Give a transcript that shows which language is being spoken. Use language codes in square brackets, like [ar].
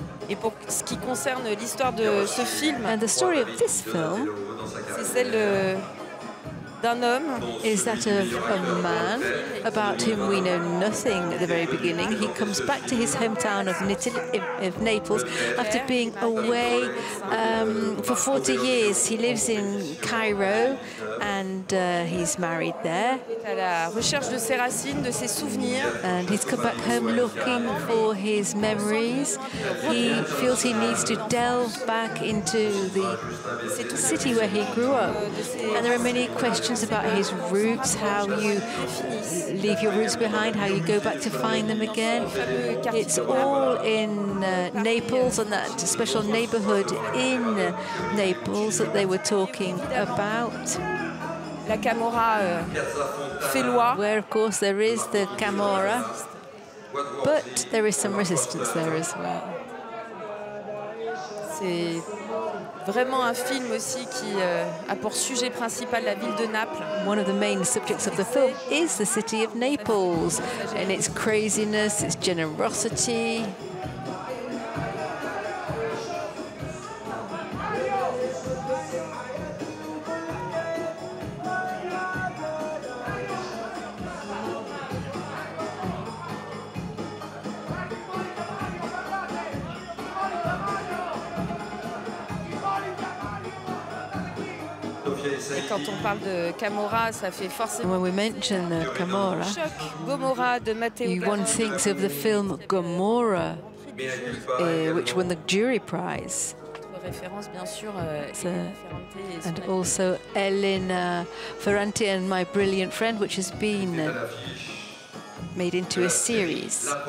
[fr] Et pour ce qui concerne l'histoire de ce film, [en] and the story of this film, [fr] c'est celle d'un homme. [en] Is that of a man about whom we know nothing at the very beginning? He comes back to his hometown of Naples after being away for 40 years. He lives in Cairo and he's married there. [fr] À la recherche de ses racines, de ses souvenirs. [en] And he's come back home looking for his memories. He feels he needs to delve back into the city where he grew up. And there are many questions about his roots, how you leave your roots behind, how you go back to find them again. It's all in Naples, and that special neighborhood in Naples that they were talking about. [fr] La Camorra fait loi. [en] Where, of course, there is the Camorra, but there is some resistance there as well. [fr] C'est vraiment un film aussi qui a pour sujet principal la ville de Naples. [en] One of the main subjects of the film is the city of Naples and its craziness, its generosity. [fr] Quand on parle de Camorra, ça fait forcément. [en] When we mention the Camorra, [fr] Gomorra de Matteo Garrone. [en] One thinks of the film Gomorra, which won the jury prize. [fr] Référence bien sûr. [en] And also Elena Ferrante and My Brilliant Friend, which has been made into a series.